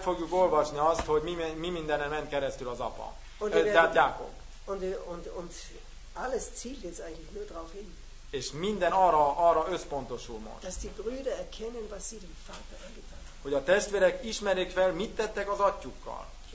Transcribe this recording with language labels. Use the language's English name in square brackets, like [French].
[Hungarian] fogjuk olvasni azt, hogy mi mindenen ment keresztül az apa. Tehát Jákob. [German] Und alles zielt jetzt eigentlich nur darauf hin. [Hungarian] És minden arra összpontosul most. [German] Dass die Brüder erkennen, was sie dem Vater angetan haben. [Hungarian] Hogy a testvérek ismerjék fel, mit tettek az atyukkal.